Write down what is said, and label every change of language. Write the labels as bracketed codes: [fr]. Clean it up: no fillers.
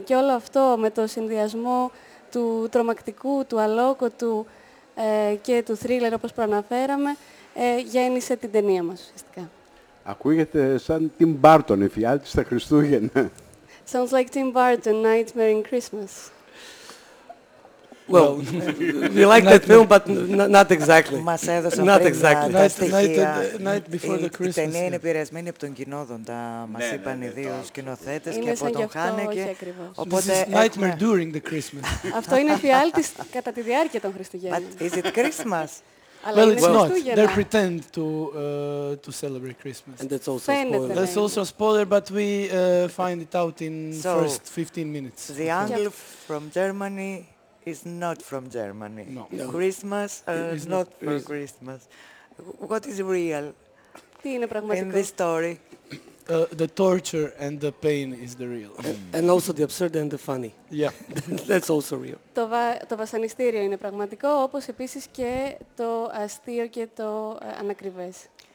[el] Και όλο αυτό με το συνδυασμό του τρομακτικού, του αλόκοτου και του θρίλερ, όπως προαναφέραμε, γέννησε την ταινία μας ουσιαστικά. Ακούγεται σαν Tim Burton, η φιάλτη στα Χριστούγεννα. [en] Sounds like Tim Burton, Nightmare in Christmas. Well, we like that film, but not exactly. [el] Μας έδωσε πριν τα στοιχεία. [en] Night before the Christmas. [el] Η ταινία είναι επηρεασμένη από τον Κοινόδοντα, μας είπαν οι δύο σκηνοθέτες, και από τον Χάνεκε. [en] This is Nightmare during the Christmas. [el] Αυτό είναι φιάλτη κατά τη διάρκεια των Χριστουγέννων. [en] But is it Christmas? Well, it's not. They pretend to celebrate Christmas. And that's also a spoiler. That's also a spoiler, but we find it out in the first 15 minutes. The angle from Germany is not from Germany. No. Christmas is not for Christmas. What is real in this story? The torture and the pain is the real. And also the absurd and the funny. Yeah, that's also real. [el] Το βασανιστήριο είναι πραγματικό, όπως επίσης και το αστείο και το ανακριβές.